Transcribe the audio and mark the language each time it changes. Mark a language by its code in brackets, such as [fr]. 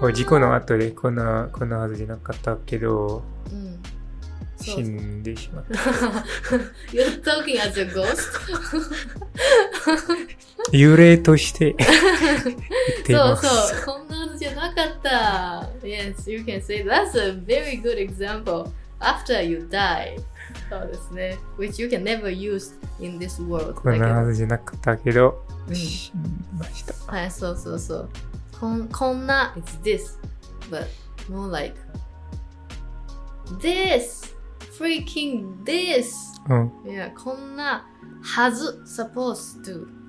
[ja] これ事故の後でこんなはずじゃなかったけど、うん、そうそう死んでしまった。 [en] You're talking as a ghost? [ja] 幽霊として言っています。そうそう。こんなはずじゃなかった。 [en] Yes, you can say that's a very good example. After you die. [ja] そうですね。 [en] Which you can never use in this world. [ja] こんなはずじゃなかったけど、死にました。はい、そうそうそう。こんな、 [en] it's this. But more like this! Freaking this!、 [ja] うん、 [en] yeah, [ja] こんなはず、 [en] supposed to